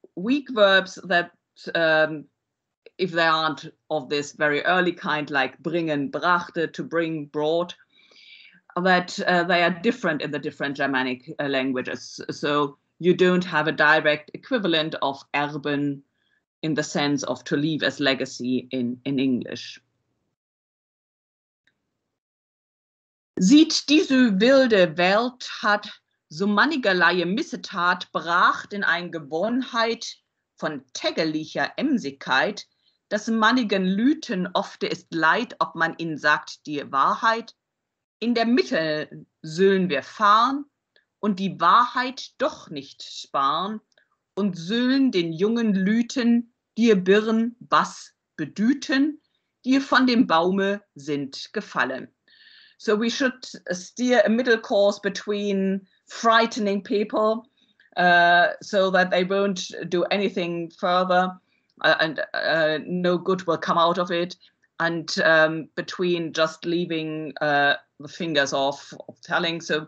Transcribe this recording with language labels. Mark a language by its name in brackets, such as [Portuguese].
[English] weak verbs that, if they aren't of this very early kind, like bringen, brachte, to bring, brought, that they are different in the different Germanic languages. So you don't have a direct equivalent of erben in the sense of to leave as legacy in English. [Middle High German] Sieht diese wilde Welt, hat so mannigerlei Missetat bracht in ein Gewohnheit von täglicher Emsigkeit, dass mannigen Lüten ofte ist Leid, ob man ihnen sagt die Wahrheit. In der Mitte sollen wir fahren und die Wahrheit doch nicht sparen und sollen den jungen Lüten die Birn was bedüten, die von dem Baume sind gefallen. [English] So we should steer a middle course between frightening people so that they won't do anything further and no good will come out of it, and between just leaving the fingers off of telling.